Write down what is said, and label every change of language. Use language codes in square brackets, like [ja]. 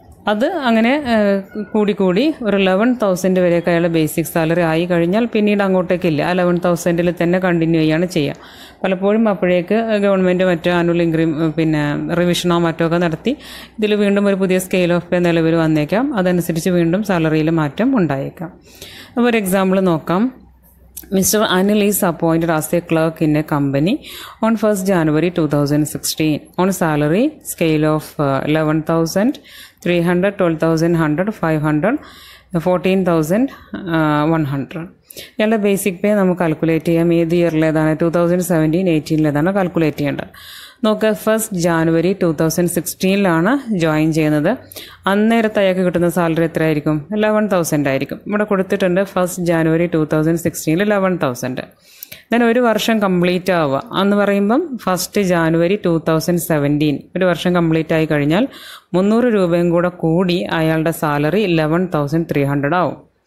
[ml] അത് അങ്ങനെ കൂടിക്കൂടി ഒരു 11,000 വരെയൊക്കെ അയാളുടെ ബേസിക് സാലറി ആയി കഴിഞ്ഞാൽ പിന്നീട് അങ്ങോട്ടേക്കില്ല, 11,000 തന്നെ കണ്ടിന്യൂ ചെയ്യാണ് ചെയ്യുക. പലപ്പോഴും അപ്പോഴേക്ക് ഗവൺമെൻറ് മറ്റോ ആനുവൽ പിന്നെ റിവിഷനോ മറ്റോ ഒക്കെ നടത്തി ഇതിൽ വീണ്ടും ഒരു പുതിയ സ്കെയിൽ ഓഫ് പേ നിലവിൽ വന്നേക്കാം. അതനുസരിച്ച് വീണ്ടും സാലറിയിൽ മാറ്റം ഉണ്ടായേക്കാം. അപ്പോൾ ഒരു എക്സാമ്പിൾ നോക്കാം. [en] Mr. Anil is appointed as a clerk in a company on 1st January 2016 on salary scale of 11,300, 12,100, 500, 14,100. Basic pay calculate this year, 2017, 2018. [ml] നോക്കുക, 1st January 2016 ജോയിൻ ചെയ്യുന്നത്. അന്നേരത്തെ അയാൾക്ക് കിട്ടുന്ന സാലറി എത്രയായിരിക്കും? 11,000 ആയിരിക്കും. ഇവിടെ കൊടുത്തിട്ടുണ്ട് 1st January 2016 11,000. ഞാൻ ഒരു വർഷം കംപ്ലീറ്റ് ആവുക എന്ന് പറയുമ്പം 1st January 2017 ഒരു വർഷം കംപ്ലീറ്റ് ആയി കഴിഞ്ഞാൽ 300 രൂപയും കൂടെ കൂടി അയാളുടെ സാലറി 11,300 ആവും.